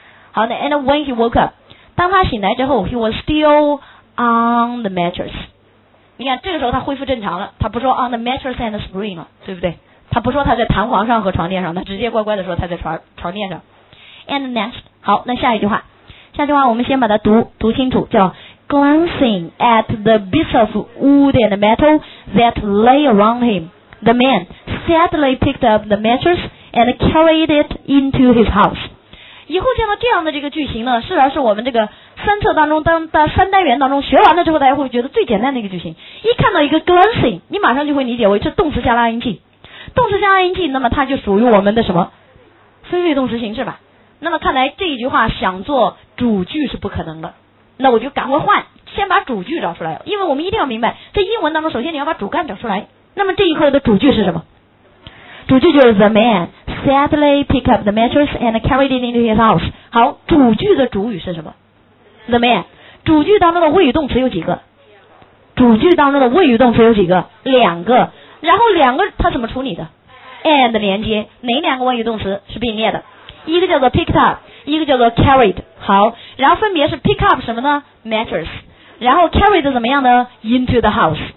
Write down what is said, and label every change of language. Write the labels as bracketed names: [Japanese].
[Chinese] 好的 [English] ，and when he woke up， [Chinese] 当他醒来之后 [English] ，he was still on the mattress。 [Chinese] 你看这个时候他恢复正常了，他不说 [English] on the mattress and the spring [Chinese] 了，对不对？他不说他在弹簧上和床垫上，他直接乖乖的说他在床垫上。 [English] and next， [Chinese] 好，那下一句话。下句话我们先把它读清楚，叫 [English] glancing at the bits of wood and metal that lay around him, the man sadly picked up the mattress and carried it into his house。 [Chinese] 以后见到这样的这个句型呢，事实是我们这个三册当中三单元当中学完了之后，大家会觉得最简单的一个句型，一看到一个 glancing， 你马上就会理解为这动词加了 ing， 动词加了 ing， 那么它就属于我们的什么非谓动词形式吧。那么看来这一句话想做主句是不可能的，那我就赶快换，先把主句找出来，因为我们一定要明白在英文当中首先你要把主干找出来。那么这一课的主句是什么？主句就是 [English] the man sadly picked up the mattress and carried it into his house。 [Chinese] 好，主句的主语是什么？ [English] the man。 [Chinese] 主句当中的谓语动词有几个？主句当中的谓语动词有几个？两个。然后两个它怎么处理的？ and 连接，哪两个谓语动词是并列的？一个叫做 picked up， 一个叫做 carried。好，然后分别是 pick up 什么呢？mattress， 然后 carried 怎么样呢？ [English] into the house。